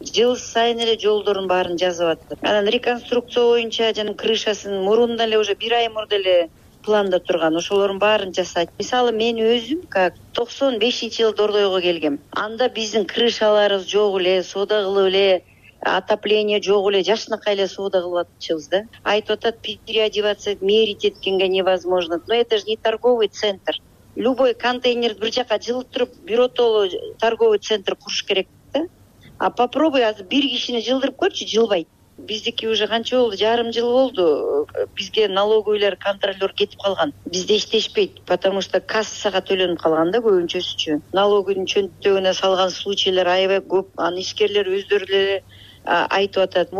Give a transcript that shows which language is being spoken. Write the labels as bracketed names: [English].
[Kyrgyz] Жыл сайын эле жолдордун баарын жазып атат. Анан реконструкция боюнча жана крышасын мурунда эле уже бир ай мурда эле планда турган ошолордун баарын жасайт. Мисалы мен өзүм как 95-жылы Дордойго келгем. Анда биздин крышаларыбыз жок эле, соода кылып эле отопление жок эле, жакшынакай эле соода кылып атчыбыз да. Айтып атат, [Russian] переодеваться мерить [Kyrgyz] эткенге невозможно. [Russian] Но это же не торговый центр. Любой контейнер [Kyrgyz] бир жака жылытырып, биротоло [Russian] торговый центр куруш керек да. [Kyrgyz] А попробуй азыр бир кишини жылдырып көрчү, жылбайт. Биздики уже канча болду, жарым жыл болду. Бизге налоговыйлар, контролер кетип калган. Бизде иштешпейт, [Russian] потому что [Kyrgyz] кассага төлөнүп калган да көбүнчөсүчү. Налогунун чөнтөгүнө салган случайлар аябай көп. Анын ишкерлер өздөрү эле айтып атат.